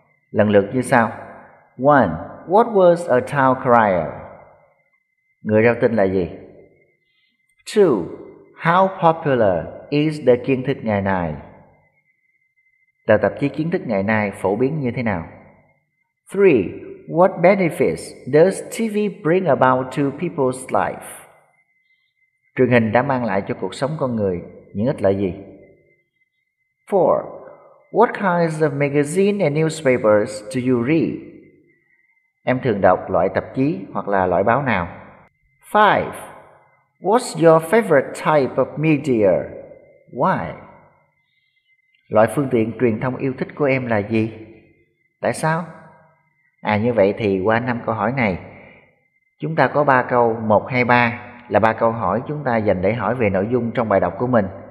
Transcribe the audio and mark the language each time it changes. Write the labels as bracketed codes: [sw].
[vi] Lần lượt như sau. 1. [en] What was a town crier? [vi] Người rao tin là gì? 2. [en] How popular is the kiến thức ngày nay? [vi] Tờ tạp chí kiến thức ngày nay phổ biến như thế nào? 3. [en] What benefits does TV bring about to people's life? [vi] Truyền hình đã mang lại cho cuộc sống con người những ích lợi gì? 4. [en] What kinds of magazines and newspapers do you read? [vi] Em thường đọc loại tạp chí hoặc là loại báo nào? 5. [en] What's your favorite type of media? Why? [vi] Loại phương tiện truyền thông yêu thích của em là gì? Tại sao? À, như vậy thì qua 5 câu hỏi này, chúng ta có 3 câu 1, 2, 3 là 3 câu hỏi chúng ta dành để hỏi về nội dung trong bài đọc của mình.